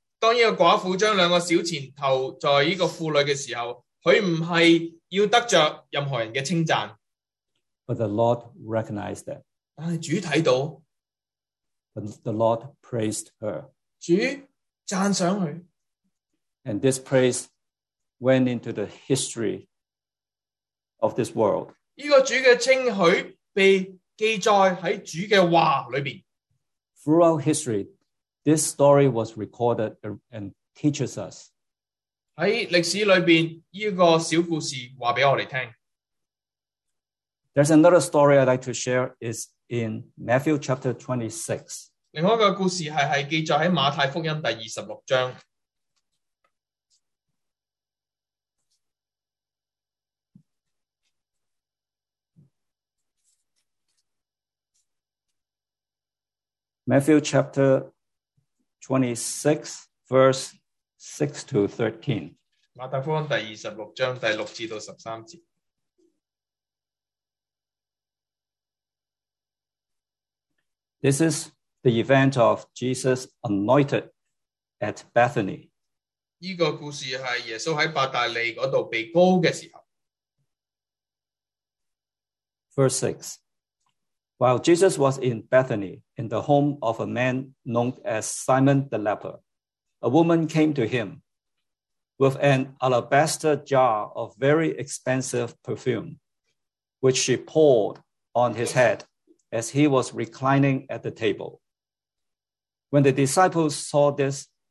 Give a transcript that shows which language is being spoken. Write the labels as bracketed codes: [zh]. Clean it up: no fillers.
[zh] 当这个寡妇将两个小钱投在这个库里的时候，她不是要得着任何人的称赞。 [en] But the Lord recognized that. [zh] 但是主看到。 [en] But the Lord praised her. [zh] 主赞赏她。 [en] And this praise went into the history of this world. [zh] 这个主的称许被记载在主的话里面。 [en] Throughout history, this story was recorded and teaches us. [zh] 在历史里面，这个小故事告诉我们听。 [en] There's another story I'd like to share is in Matthew chapter 26. [zh] 另外一个故事是记载在马太福音第26章。 [en] Matthew chapter 26, verse 6-13. [zh] 马太福音第26章第6至到13节。 [en] This is the event of Jesus anointed at Bethany. [zh] 这个故事是耶稣在伯大利那里被膏的时候。 [en] Verse 6. While Jesus was in Bethany, in the home of a man known as Simon the leper, a woman came to him with an alabaster jar of very expensive perfume, which she poured on his head as he was reclining at the table. When the disciples saw this,